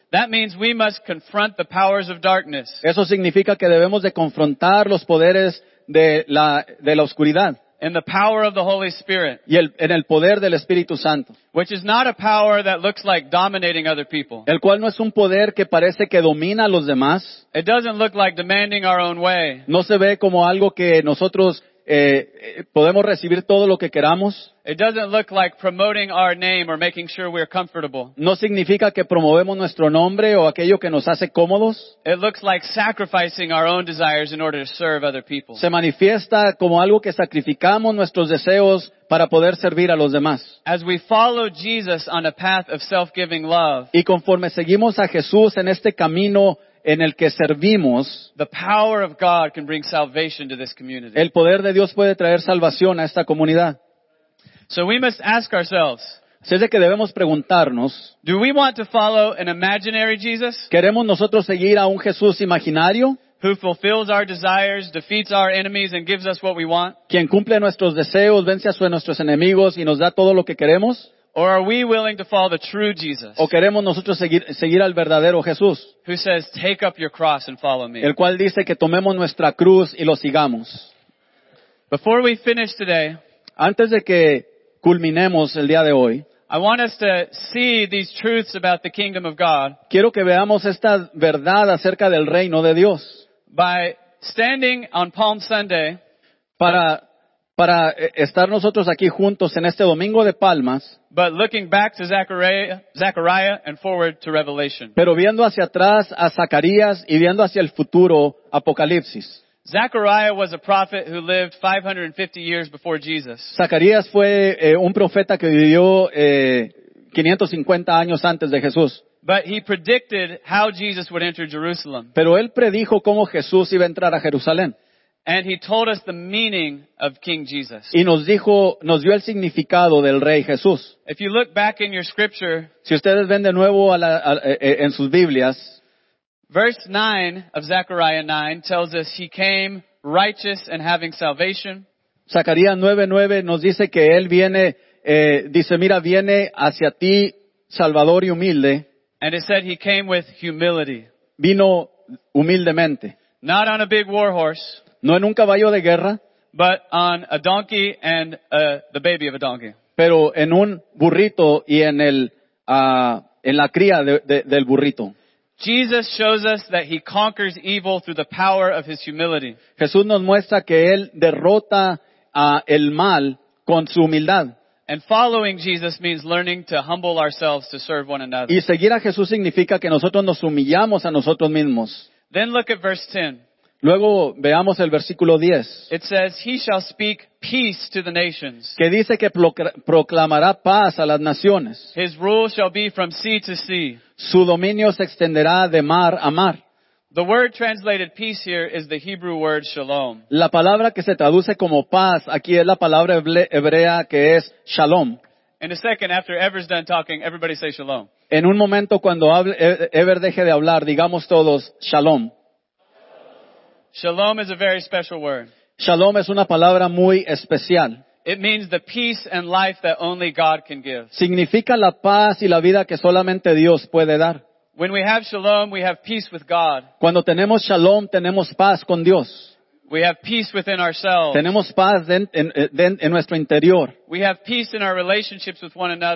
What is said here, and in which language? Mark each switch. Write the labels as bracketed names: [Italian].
[English] that means we must confront the powers of darkness. [Spanish] Eso significa que debemos de confrontar los poderes de la oscuridad. [English] In the power of the Holy Spirit. [Spanish] Y en el poder del Espíritu Santo. [English] Which is not a power that looks like dominating other people. [Spanish] El cual no es un poder que parece que domina a los demás. [English] It doesn't look like demanding our own way. [Spanish] No se ve como algo que nosotros podemos recibir todo lo que queramos. [English] It doesn't look like promoting our name or making sure we're comfortable. [Spanish] No significa que promovemos nuestro nombre o aquello que nos hace cómodos. [English] It looks like sacrificing our own desires in order to serve other people. [Spanish] Se manifiesta como algo que sacrificamos nuestros deseos para poder servir a los demás. [English] As we follow Jesus on a path of self-giving love. [Spanish] Y conforme seguimos a Jesús en este camino en el que servimos, [English] the power of God can bring salvation to this community. [Spanish] El poder de Dios puede traer salvación a esta comunidad. [English] So we must ask ourselves, [Spanish] si es de que debemos preguntarnos, [English] do we want to follow an imaginary Jesus? [Spanish] ¿Queremos nosotros seguir a un Jesús imaginario? [English] Who fulfills our desires, defeats our enemies, and gives us what we want? [Spanish] ¿Quién cumple nuestros deseos, vence a nuestros enemigos y nos da todo lo que queremos? [English] Or are we willing to follow the true Jesus? [Spanish] ¿O queremos nosotros seguir al verdadero Jesús? [English] Who says, take up your cross and follow me. [Spanish] El cual dice que tomemos nuestra cruz y lo sigamos. [English] Before we finish today, [Spanish] antes de que culminemos el día de hoy, [English] I want us to see these truths about the kingdom of God. [Spanish] Quiero que veamos esta verdad acerca del reino de Dios. [English] By standing on Palm Sunday, [Spanish] para estar nosotros aquí juntos en este domingo de palmas, [English] but looking back to Zechariah and forward to Revelation. [Spanish] Pero viendo hacia atrás a Zacarías y viendo hacia el futuro Apocalipsis. [English] Zechariah was a prophet who lived 550 years before Jesus. [Spanish] Zacarías fue un profeta que vivió 550 años antes de Jesús. [English] But he predicted how Jesus would enter Jerusalem. [Spanish] Pero él predijo cómo Jesús iba a entrar a Jerusalén. [English] And he told us the meaning of King Jesus. [Spanish] Y nos dio el significado del Rey Jesús. [English] If you look back in your scripture, [Spanish] si ustedes ven de nuevo en sus Biblias, [English] verse 9 of Zechariah 9 tells us he came righteous and having salvation. [Spanish] Zacarías 9:9 nos dice que él viene, dice, mira, viene hacia ti, salvador y humilde. [English] And it said he came with humility. [Spanish] Vino humildemente. [English] Not on a big war horse. [Spanish] No en un caballo de guerra. [English] But on a donkey and the baby of a donkey. [Spanish] Pero en un burrito y en la cría del burrito. [English] Jesus shows us that he conquers evil through the power of his humility. [Spanish] Jesús nos muestra que él derrota el mal con su humildad. [English] And following Jesus means learning to humble ourselves to serve one another. [Spanish] Y seguir a Jesús significa que nosotros nos humillamos a nosotros mismos. [English] Then look at verse 10. [Spanish] Luego veamos el versículo 10. [English] It says, he shall speak peace to the nations. [Spanish] Que dice que proclamará paz a las naciones. [English] His rule shall be from sea to sea. [Spanish] Su dominio se extenderá de mar a mar. [English] The word translated peace here is the Hebrew word shalom. [Spanish] La palabra que se traduce como paz aquí es la palabra hebrea que es shalom. [English] In a second, after Ever's done talking, everybody say shalom. [Spanish] En un momento cuando Ever deje de hablar, digamos todos shalom. [English] Shalom is a very special word. [Spanish] Shalom es una palabra muy especial. [English] It means the peace and life that only God can give. [Spanish] Significa la paz y la vida que solamente Dios puede dar. [English] When we have shalom, we have peace with God. [Spanish] Cuando tenemos shalom, tenemos paz con Dios. [English] We have peace within ourselves. [Spanish] Tenemos paz en nuestro interior. [English] We have peace in our relationships with one another.